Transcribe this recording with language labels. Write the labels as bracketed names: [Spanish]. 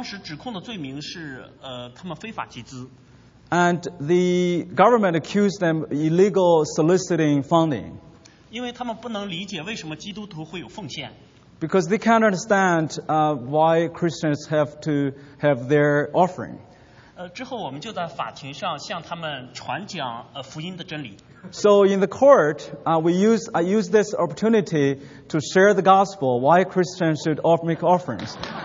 [Chinese] 当时指控的罪名是他们非法集资。 [English] And the government accused them of illegal soliciting funding. [Chinese] 因为他们不能理解为什么基督徒会有奉献。 [English] Because they can't understand why Christians have to have their offering. [Chinese] 之后我们就在法庭上向他们传讲 福音的真理。 [English] So in the court, I use this opportunity to share the gospel, why Christians should make offerings.